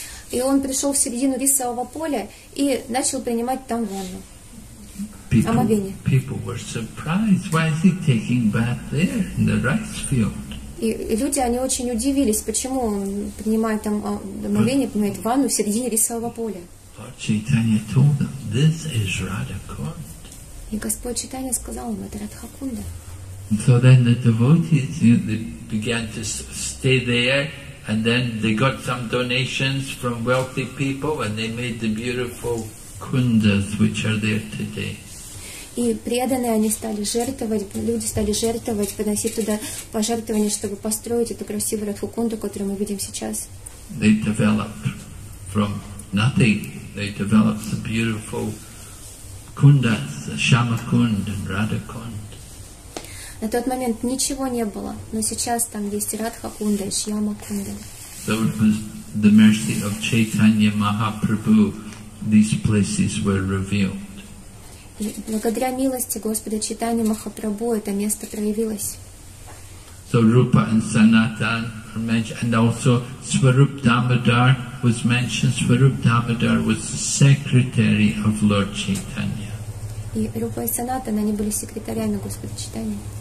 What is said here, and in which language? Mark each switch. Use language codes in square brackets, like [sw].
[ru] И он пришел в середину рисового поля и начал принимать там ванну. [en] Омовение. People were surprised. Why is he taking bath there in the rice field? [ru] И люди, они очень удивились, почему он принимает там омовение, принимает ванну в середине рисового поля. [en] Lord Chaitanya told them, this is Radha Kund. [ru] И Господь Чайтанья сказал им, это Радха Кунда. [en] So then the devotees, you know, they began to stay there. And then they got some donations from wealthy people, and they made the beautiful kundas, which are there today. [ru] И преданные они стали жертвовать, люди стали жертвовать, приносить туда пожертвования, чтобы построить эту красивую Радху Кунду, которую мы видим сейчас. [en] They developed from nothing. They developed the beautiful kundas, the Shama Kund and Radha Kund. [ru] На тот момент ничего не было, но сейчас там есть Радха Кунда, Шьяма Кунда. [en] So it was the mercy of Chaitanya Mahaprabhu, these places were revealed. [ru] И благодаря милости Господа Чайтанья Махапрабху это место проявилось. [en] So Rupa and Sanatan were mentioned, and also Swarup Damodar was mentioned. Swarup Damodar was the secretary of Lord Chaitanya. [ru] И Рупа и Санатан, они были секретарями Господа Чайтанья.